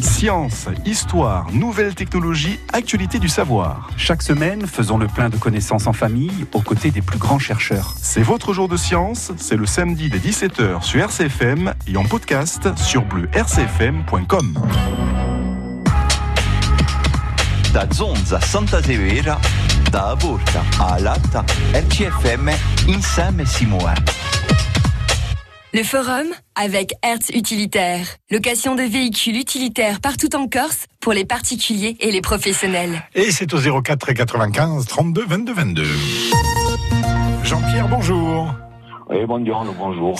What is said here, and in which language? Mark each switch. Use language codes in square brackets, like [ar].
[fr] Science, histoire, nouvelles technologies, actualité du savoir. Chaque semaine, faisons le plein de connaissances en famille, aux côtés des plus grands chercheurs. C'est votre jour de science, c'est le samedi dès 17h sur RCFM et en podcast sur bleu-rcfm.com. [co] Da Zonza Santa Severa, da Aborta a Alata, RCFM, insieme siamo. [fr] Le forum avec Hertz Utilitaire. Location de véhicules utilitaires partout en Corse pour les particuliers et les professionnels. Et c'est au 04 95 32 22 22. Jean-Pierre, bonjour. Oui, bonjour, bonjour.